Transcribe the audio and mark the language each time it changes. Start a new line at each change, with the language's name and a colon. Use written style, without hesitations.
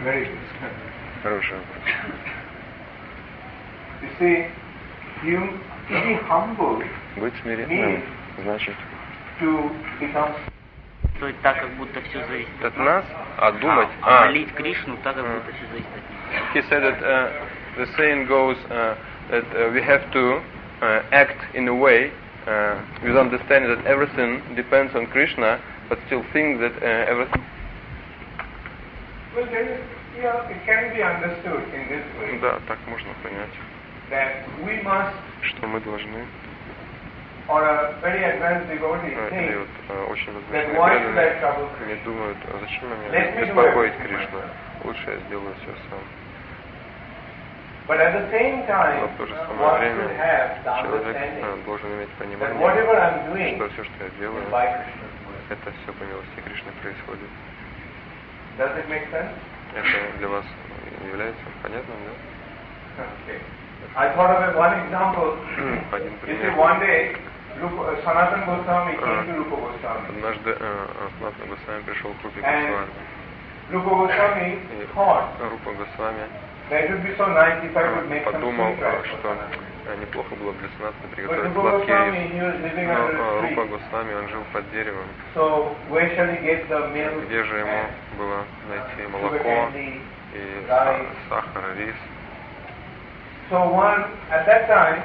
Russian: Хороший вопрос.
English: You see, you be humble.
Russian: Быть смиренным значит.
English: To become.
Russian: То есть так, как будто все зависит от нас, а думать, а молить Кришну так, как будто все зависит от них.
English: He said that the saying goes that we have to act in a way. With understanding that everything depends on Krishna, but still think that everything. Well, then, yeah, it can be understood in this way.
Russian: Да, так можно понять.
English: That we must.
Russian: Что мы должны.
English: Or a very advanced devotee thinks.
Russian: Вот, очень возвышенные преданные. Они думают, а зачем мне беспокоить Кришну? Лучше я сделаю все сам.
English: But at the same time,
Russian: в то же самое
English: one
Russian: время
English: should have the understanding
Russian: должен иметь понимание,
English: that whatever I'm doing,
Russian: что все, что я делаю, это все по милости Кришны происходит.
English: Does it make sense?
Russian: Это для вас является понятным, да?
English: Okay. I thought of one example.
Russian: Один пример.
English: You see, one day, Sanatan Goswami came to Rupa Goswami.
Russian: Однажды Sanatan Goswami пришел к Рупе Госвами.
English: Rupa Goswami thought.
Russian: Рупа Госвами.
English: That would be so nice if I could make
Russian: подумал,
English: some food,
Russian: что неплохо было бы для Санатаны приготовить сладкие яйца. Но Рупа Госвами, он жил под деревом.
English: So where shall he get the milk?
Russian: Где же ему было найти молоко и сахар, рис?
English: So one, at that time,